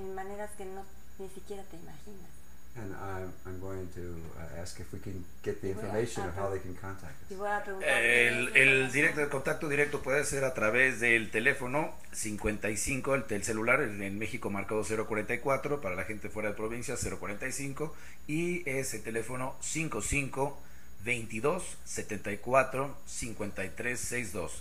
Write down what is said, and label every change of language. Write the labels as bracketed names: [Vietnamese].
[Spanish] En maneras que no ni siquiera te imaginas. [English] And I'm going to ask if we can get the information of how they can contact us. [Spanish] Y voy a preguntar. El directo de contacto directo puede ser a través del teléfono 55, el celular en México marcado 044, para la gente fuera de provincia 045, y es el teléfono 55-22-74-53-62.